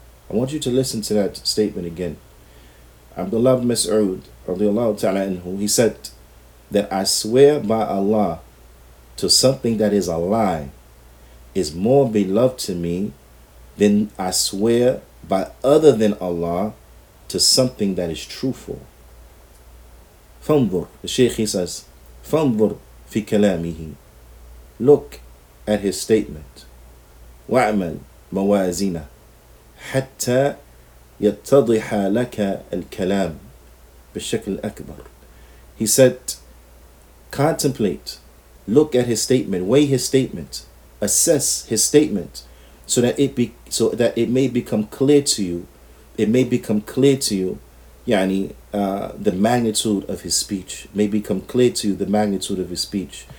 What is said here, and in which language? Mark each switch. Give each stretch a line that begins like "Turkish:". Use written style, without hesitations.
English: I want you to listen to that statement again. Abdullah ibn Mas'ud radiyallahu ta'ala anhu, he said that I swear by Allah to something that is a lie is more beloved to me than I swear by other than Allah to something that is truthful. فانظر, the Shaykh, he says,
Arabic: فانظر في كلامه.
English: Look at his statement.
Arabic: وعمل موازينه حتى يتضح لك الكلام بشكل أكبر.
English: He said, contemplate, look at his statement, weigh his statement, assess his statement, so that it may become clear to you, the magnitude of his speech, may become clear to you the magnitude of his speech.